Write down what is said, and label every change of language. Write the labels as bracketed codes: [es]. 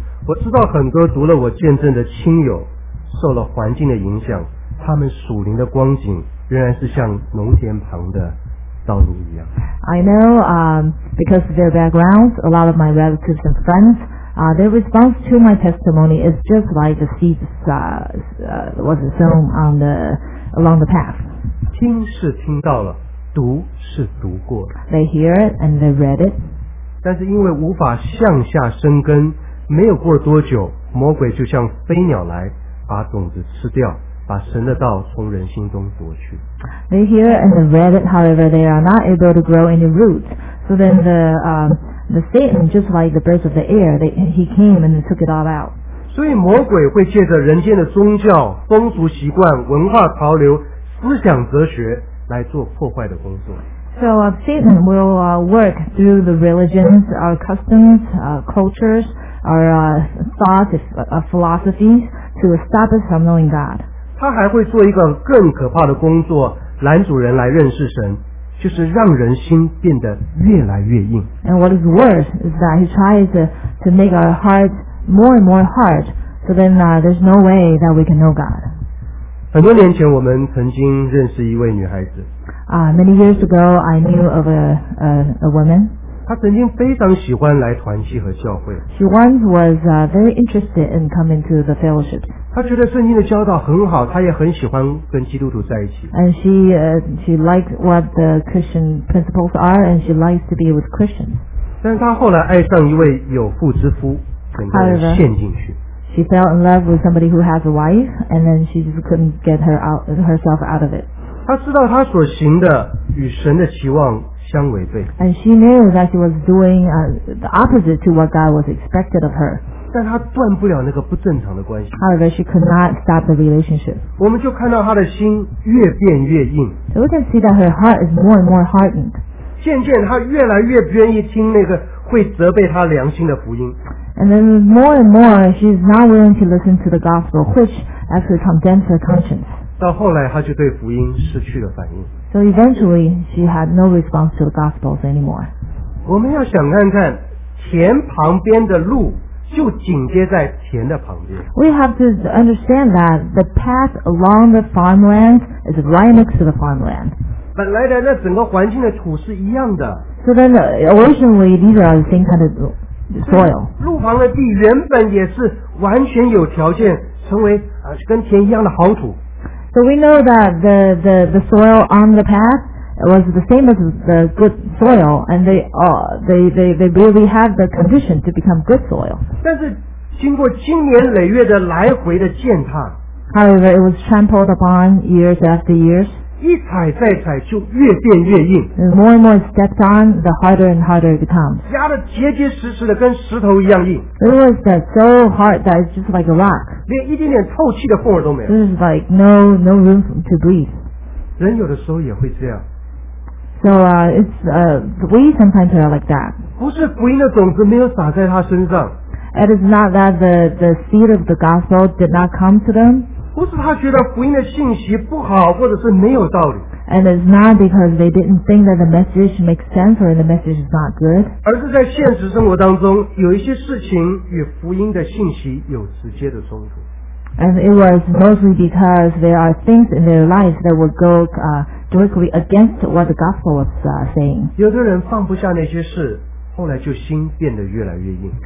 [zh] 我知道很多读了我见证的亲友受了环境的影响，他们属灵的光景仍然是像农田旁的道路一样。 [en] I know, because of their backgrounds, a lot of my relatives and friends, their response to my testimony is just like the seed was sown on the along the path. [zh] 听是听到了。读是读过的。 [en] They hear it and they read it. [zh] 但是因为无法向下生根，没有过多久，魔鬼就像飞鸟来，把种子吃掉，把神的道从人心中夺去。 [en] They hear and they read it, however, they are not able to grow any roots. So then the Satan, just like the birds of the air, he came and took it all out. [zh] 所以魔鬼会借着人间的宗教、风俗习惯、文化潮流、思想哲学。来做破坏的工作。 [en] So Satan will work through the religions, our customs, cultures, our thoughts, philosophies to stop us from knowing God. [zh] 他还会做一个更可怕的工作，拦阻人来认识神，就是让人心变得越来越硬。 [en] And what is worse is that he tries to make our hearts more and more hard, so then there's no way that we can know God. [zh] 很多年前我们曾经认识一位女孩子。 [en] Many years ago, I knew of a woman. [zh] 她曾经非常喜欢来团契和教会。 [en] She once was very interested in coming to the fellowship. [zh] 她觉得圣经的教导很好，她也很喜欢跟基督徒在一起。 [en] And she liked what the Christian principles are, and she likes to be with Christians. [zh] 但她后来爱上一位有妇之夫，整个人陷进去。 [en] She fell in love with somebody who has a wife, and then she just couldn't get herself out of it. [zh] 她知道她所行的与神的期望相违背。 [en] And she knew that she was doing the opposite to what God was expected of her. [zh] 但她断不了那个不正常的关系。 [en] However, she could not stop the relationship. [zh] 我们就看到她的心越变越硬。 [en] So we can see that her heart is more and more hardened. [zh] 渐渐她越来越不愿意听那个会责备她良心的福音。 [en] And then more and more, she's not willing to listen to the gospel, which actually condemns her conscience. [zh] 到后来，她就对福音失去了反应。 [en] So eventually, she had no response to the gospels anymore. [zh] 我们要想看看，田旁边的路就紧接在田的旁边。 [en] We have to understand that the path along the farmland is right next to the farmland. [zh] 本来的那整个环境的土是一样的。 [en] So then, originally, these are the same kind of. Soil. [zh] 路旁的地原本也是完全有条件成为、跟田一样的好土。 [en] So we know that the soil on the path was the same as the good soil, and they really have the condition to become good soil. [zh] 但是经过经年累月的来回的践踏 [en] ，However, it was trampled upon years after years. [zh] 一踩再踩就越变越硬。 [en] And more and more stepped on, the harder and harder it becomes. [zh] 压得结结实实的跟石头一样硬。 [en] It was that so hard that it's just like a rock. [zh] 连一点点透气的缝都没有。 [en] This is like no room to breathe. [zh] 人有的时候也会这样。 [en] So it's we sometimes are like that. [zh] 不是福音的种子没有撒在他身上。 [en] It is not that the seed of the gospel did not come to them. [zh] 不是他觉得福音的信息不好或者是没有道理 [en] and it's not because they didn't think that the message makes sense or the message is not good [zh] 而是在现实生活当中有一些事情与福音的信息有直接的冲突 [en] and it was mostly because there are things in their lives that would go directly against what the gospel was saying [zh] 有的人放不下那些事后来就心变得越来越硬